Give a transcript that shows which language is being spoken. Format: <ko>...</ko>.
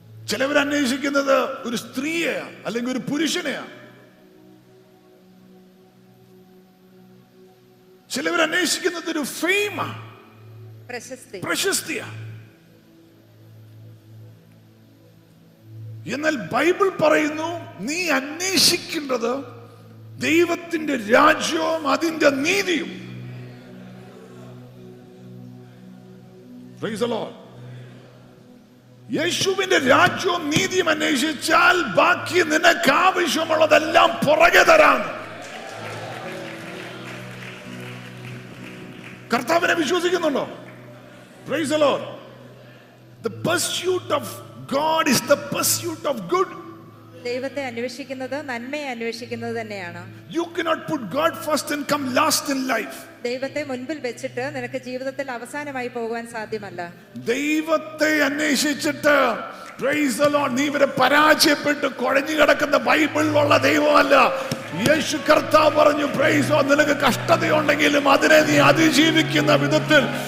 <ml>ചിലവർ അന്വേഷിക്കുന്നത് ഒരു സ്ത്രീയെയാ അല്ലെങ്കിൽ ഒരു പുരുഷനെയാ ചിലവർ അന്വേഷിക്കുന്നത് ഒരു ഫെയിം പ്രശസ്തിയാ എന്നാൽ ബൈബിൾ പറയുന്നു നീ അന്വേഷിക്കേണ്ടത് ദൈവത്തിന്റെ രാജ്യവും അതിന്റെ നീതിയും</ml> <en>Praise the Lord.</en> <ml>യേശുവിന്റെ രാജ്യവും നീതിയും അന്വേഷിച്ചാൽ ബാക്കി നിനക്ക് ആവശ്യമുള്ളതെല്ലാം പുറകെ തരാൻ കർത്താവിനെ വിശ്വസിക്കുന്നുണ്ടോ</ml> <en>Praise the Lord. The pursuit of God is the pursuit of good.</en> <ml>ദൈവത്തെ അന്വേഷിക്കുന്നത് നന്മയെ അന്വേഷിക്കുന്നത് തന്നെയാണ്</ml> <en>You cannot put God first and come last in life.</en> <ml>ദൈവത്തെ മുൻപിൽ വെച്ചിട്ട് നിനക്ക് ജീവിതത്തിൽ അവസാനമായി പോകാൻ സാധ്യമല്ല ദൈവത്തെ അന്വേഷിച്ചിട്ട്</ml> <en>praise the lord</en> <ml>നീ ഇവരെ പരാജയപ്പെട്ട് കുഴഞ്ഞു കിടക്കുന്ന ബൈബിളിലുള്ള ദൈവമല്ല യേശു കർത്താവ് പറഞ്ഞു പ്രൈസ് ദി ലോർഡ് നിനക്ക് കഷ്ടതയുണ്ടെങ്കിലും അതിനെ നീ അതിജീവിക്കുന്ന വിധത്തിൽ</ml>